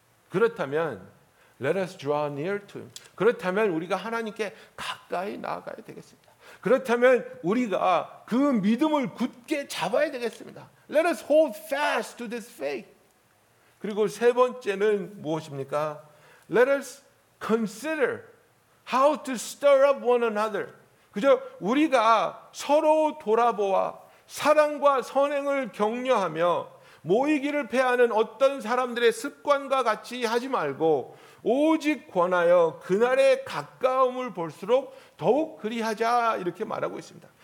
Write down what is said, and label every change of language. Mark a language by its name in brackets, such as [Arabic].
[Korean] 그렇다면 [English] Let us draw near to him. [Korean] 그렇다면 우리가 하나님께 가까이 나아가야 되겠습니다. 그렇다면 우리가 그 믿음을 굳게 잡아야 되겠습니다. [English] Let us hold fast to this faith. [Korean] 그리고 세 번째는 무엇입니까? [English] Let us consider how to stir up one another. [Korean] 그저 우리가 서로 돌아보아 사랑과 선행을 격려하며 모이기를 패하는 어떤 사람들의 습관과 같이 하지 말고 오직 권하여 그날의 가까움을 볼수록 더욱 그리하자 이렇게 말하고 있습니다.